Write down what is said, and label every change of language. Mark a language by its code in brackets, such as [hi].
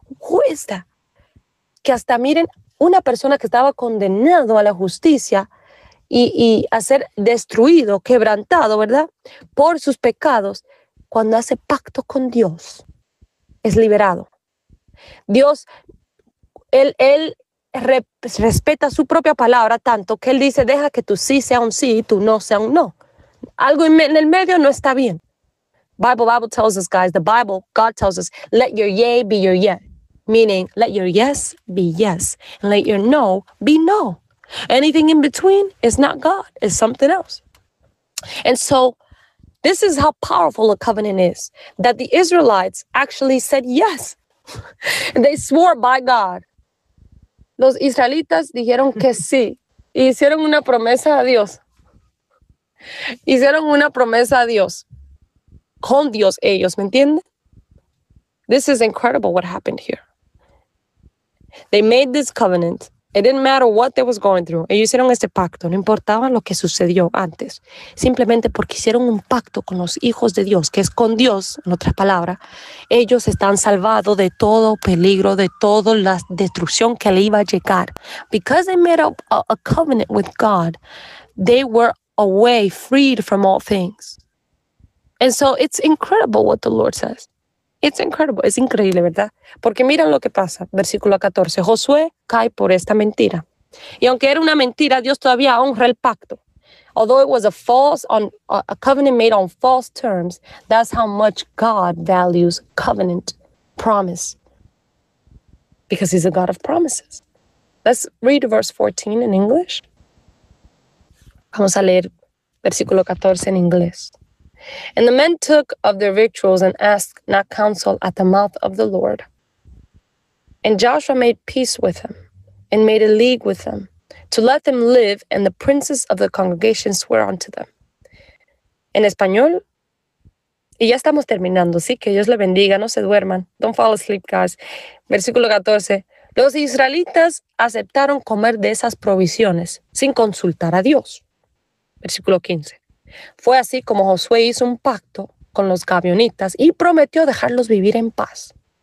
[es] Cuesta que hasta miren una persona que estaba condenado a la justicia y a ser destruido, quebrantado, ¿verdad?, por sus pecados, cuando hace pacto con Dios, es liberado. Dios, él respeta su propia palabra tanto que él dice, deja que tu sí sea un sí y tu no sea un no. Algo en el medio no está bien. [en] Bible tells us, guys, the Bible, God tells us, let your yea be your yea, meaning let your yes be yes, and let your no be no. Anything in between is not God, it's something else. And so this is how powerful a covenant is, that the Israelites actually said yes. They swore by God. [es] Los israelitas dijeron que sí, y hicieron una promesa a Dios. Hicieron una promesa a Dios. Con Dios ellos, ¿me entienden? [en] This is incredible what happened here. They made this covenant. It didn't matter what they was going through. [es] Ellos hicieron este pacto. No importaba lo que sucedió antes. Simplemente porque hicieron un pacto con los hijos de Dios, que es con Dios, en otras palabras, ellos están salvados de todo peligro, de toda la destrucción que le iba a llegar. [en] Because they made a covenant with God, they were away, freed from all things. And so it's incredible what the Lord says. It's incredible. [es] Es increíble, ¿verdad? Porque miren lo que pasa. Versículo 14. Josué cae por esta mentira. Y aunque era una mentira, Dios todavía honra el pacto. [en] Although it was a false, a covenant made on false terms, that's how much God values covenant promise. Because he's a God of promises. Let's read verse 14 in English. [es] Vamos a leer versículo 14 en inglés. [en] And the men took of their victuals and asked not counsel at the mouth of the Lord. And Joshua made peace with them and made a league with them to let them live, and the princes of the congregation swear unto them. [es] En español, y ya estamos terminando, sí, que Dios le bendiga, no se duerman. [en] Don't fall asleep, guys. [es] Versículo 14. Los israelitas aceptaron comer de esas provisiones sin consultar a Dios. Versículo 15. Fue así como Josué hizo un pacto con los gabionitas y prometió dejarlos vivir en paz.